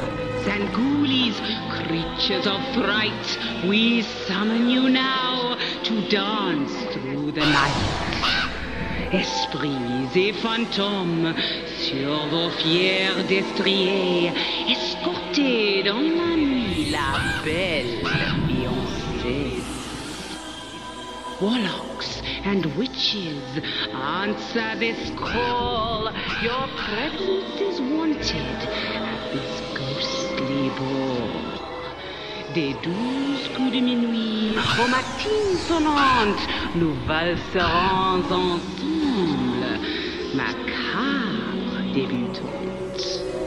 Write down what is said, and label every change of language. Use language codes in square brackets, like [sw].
[en] creatures of fright, we summon you now to dance through the night. [fr] Esprits et fantômes, sur vos fiers destriers, escortez dans la nuit la belle fiancée. [en] Warlocks and witches, answer this call. Your presence is wanted at this ghostly ball. [fr] Des douze coups de minuit, aux matines sonnantes, nous valserons ensemble, macabre débutante.